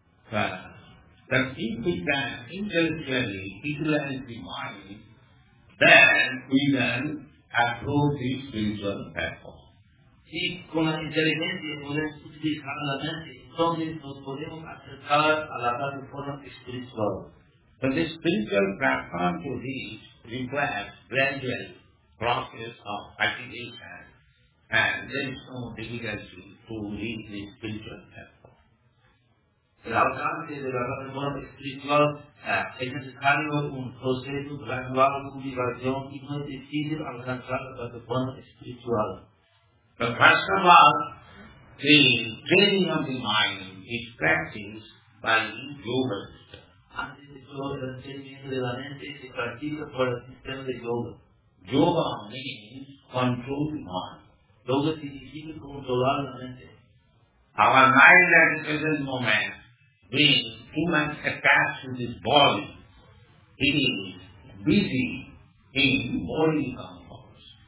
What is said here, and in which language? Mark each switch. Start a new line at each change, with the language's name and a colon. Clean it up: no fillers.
English: But if we can intellectually utilize the mind, then we can approach the spiritual platform.
Spanish: Si con la inteligencia podemos utilizar la mente, entonces nos podemos acercar a la plataforma espiritual.
English: But the spiritual platform to reach requires gradual process of cultivation, and there is no difficulty to reach the spiritual platform.
Spanish: El alcance de la plataforma espiritual es necesario un proceso gradual de cultivación y no es difícil alcanzar la plataforma espiritual.
English: The first of all, the training of the mind is practiced by yoga.
Spanish: Antes de todo, el entrenamiento de la mente se practica por el sistema de yoga.
English: Yoga means control the mind.
Spanish: Yoga significa controlar la mente.
English: Our mind at the present moment being too much attached to this body, it is busy in body controls.